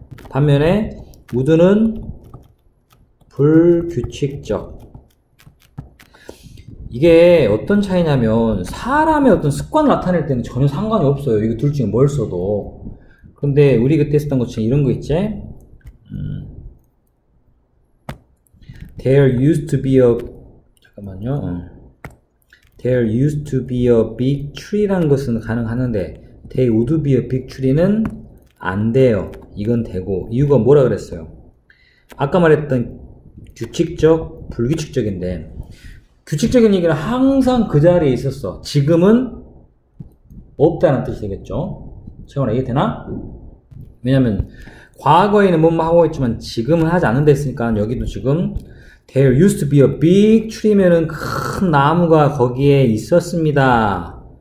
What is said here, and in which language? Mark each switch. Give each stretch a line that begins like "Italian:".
Korean: 반면에 우드는 불규칙적. 이게 어떤 차이냐면 사람의 어떤 습관을 나타낼 때는 전혀 상관이 없어요. 이거 둘 중에 뭘 써도. 그런데 우리 그때 썼던 것처럼 이런 거 있지?
English: There used to be a
Korean: 잠깐만요.
English: There used to be a big tree란
Korean: 것은 가능하는데
English: there would be a big tree는
Korean: 안 돼요. 이건 되고, 이유가 뭐라 그랬어요? 아까 말했던 규칙적, 불규칙적인데, 규칙적인 얘기는 항상 그 자리에 있었어. 지금은 없다는 뜻이 되겠죠. 최근에 이해 되나? 왜냐면 과거에는 뭔가 하고 있지만 지금은 하지 않는 데 있으니까 여기도 지금
English: There used to be a big tree
Korean: 면은 큰 나무가 거기에 있었습니다.